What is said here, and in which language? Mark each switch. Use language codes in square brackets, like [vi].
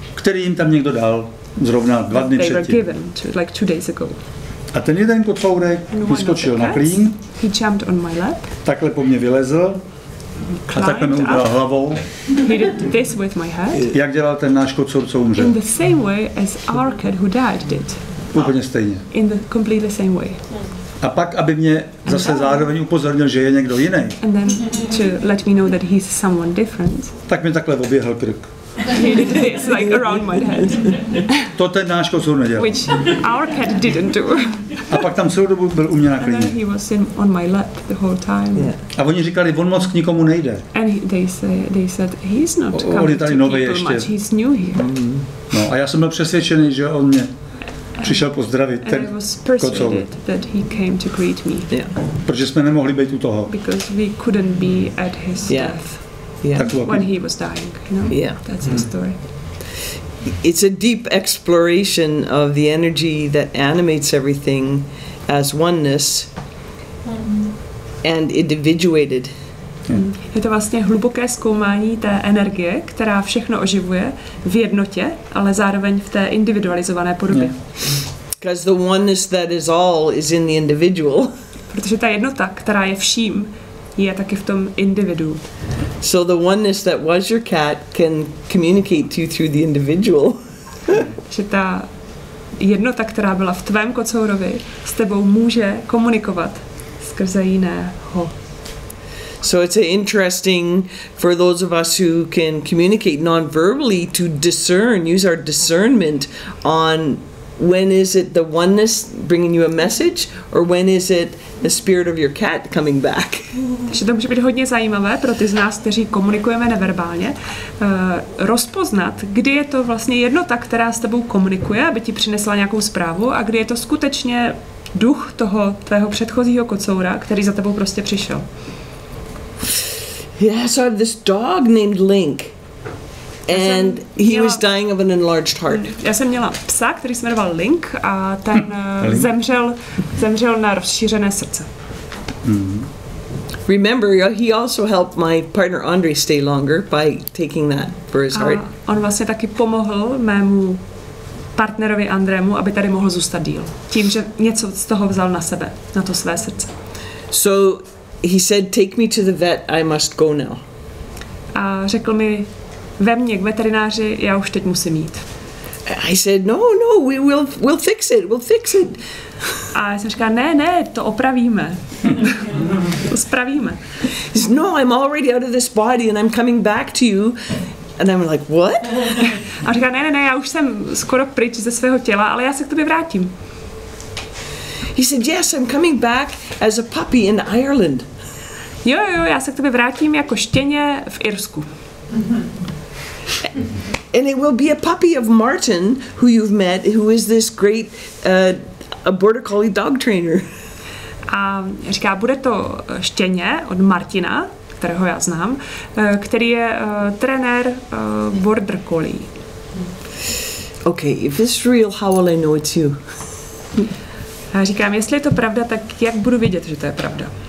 [cs] Který jim tam někdo dal zrovna 2 dny [en] they [cs] předtím. [en] Were given to, like 2 days ago. [cs] A ten jeden kocourek vyskočil na klín. [en] He jumped on my lap. [cs] Takhle po mě vylezl. A takhle mi udělal hlavou. [en] He did this with my head. [cs] Jak dělal ten náš kocour, co umřel? [en] In the same way as our cat who died did. [cs] Úplně stejně. [en] In the completely same way. [cs] A pak, aby mě zase zároveň upozornil, že je někdo jiný. [en] And then to let me know that he's someone different. [cs] Tak mi takhle oběhl krk. [en] It's like around my head. [cs] To ten náš kocour nedělal. [en] Which our cat didn't do. [cs] A pak tam celou dobu byl u mě na klině. [en] He was in, on my lap the whole time. [cs] Yeah. A oni říkali, on moc k nikomu nejde. [en] And they said he's not coming to people much. Ještě. He's new here. Mm. [cs] No, a já jsem byl přesvědčený, že on mě přišel pozdravit ten kocour. [en] That he came to greet me. Yeah. [cs] Protože jsme nemohli být u toho. [en] Because we couldn't be at his death. Yeah. When he was dying, you know? Yeah. That's the story. It's a deep exploration of the energy that animates everything as oneness and individuated. [cs] Je to vlastně hluboké zkoumání té energie, která všechno oživuje v jednotě, ale zároveň v té individualizované podobě. [en] Because the oneness that is all is in the individual. [cs] Protože ta jednota, která je vším, je taky v tom individu. [en] So the oneness that was your cat can communicate to you through the individual. [cs] Že ta jednota, která byla v tvém kocourovi, s tebou může komunikovat skrze jiného. [en] So it's interesting for those of us who can communicate non-verbally to discern, use our discernment on when is it the oneness bringing you a message or when is it the spirit of your cat coming back. [cs] Takže to může být hodně zajímavé pro ty z nás, kteří komunikujeme neverbálně, rozpoznat, kdy je to vlastně jednota, která s tebou komunikuje, aby ti přinesla nějakou zprávu, a kdy je to skutečně duch toho tvého předchozího kocoura, který za tebou prostě přišel. [en] Yeah, so I have this dog named Link. And he was dying of an enlarged heart. [cs] Já jsem měla psa, který se jmenoval Link, a ten zemřel na rozšířené srdce. Mm-hmm. [en] Remember, he also helped my partner Andre stay longer by taking that for his heart. [cs] On vlastně taky pomohl mému partnerovi Andrému, aby tady mohl zůstat díl, tím, že něco z toho vzal na sebe, na to své srdce. [en] So he said, "Take me to the vet. I must go now." [cs] A řekl mi, vem mě k veterináři, já už teď musím jít. [en] I said, no, we'll fix it, we'll fix it. [cs] A já jsem říkala, ne, to opravíme. To spravíme. [en] He said, no, I'm already out of this body and I'm coming back to you. And I'm like, what? [cs] A říká, ne, já už jsem skoro pryč ze svého těla, ale já se k tobě vrátím. [en] He said, yes, I'm coming back as a puppy in Ireland. [cs] Jo, já se k tobě vrátím jako štěně v Irsku. [en] And it will be a puppy of Martin, who you've met, who is this great a border collie dog trainer. [cs] A říká, bude to štěně od Martina, kterého já znám, který je trenér border collie. [en] Okay, if this is real, how will I know it's you? [cs] A říkám, jestli je to pravda, tak jak budu vědět, že to je pravda?